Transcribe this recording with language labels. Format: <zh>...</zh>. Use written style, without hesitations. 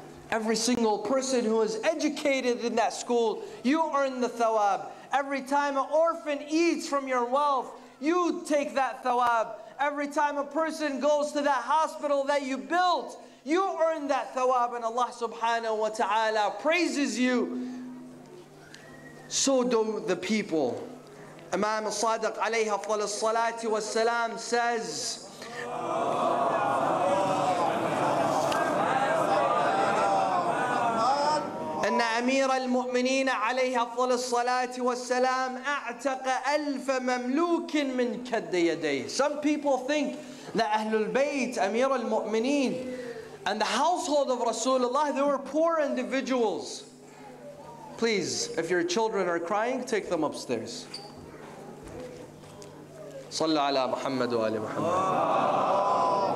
<en>Every single person who is educated in that school, you earn the thawab. Every time an orphan eats from your wealth, you take that thawab. Every time a person goes to that hospital that you built, you earn that thawab, and Allah subhanahu wa ta'ala praises you. So do the people. Imam Sadiq alayhi afdal as-salati wa salam says,</en> <ar>أمير المؤمنين عليه أفضل الصلاة والسلام أعتق ألف مملوك من كد يديه.</ar> <en>Some people think that Ahlul Bayt, Amir al-Mu'mineen, and the household of Rasulullah, they were poor individuals. Please, if your children are crying, take them upstairs.</en> <ar>صلى على محمد وآل محمد.</ar>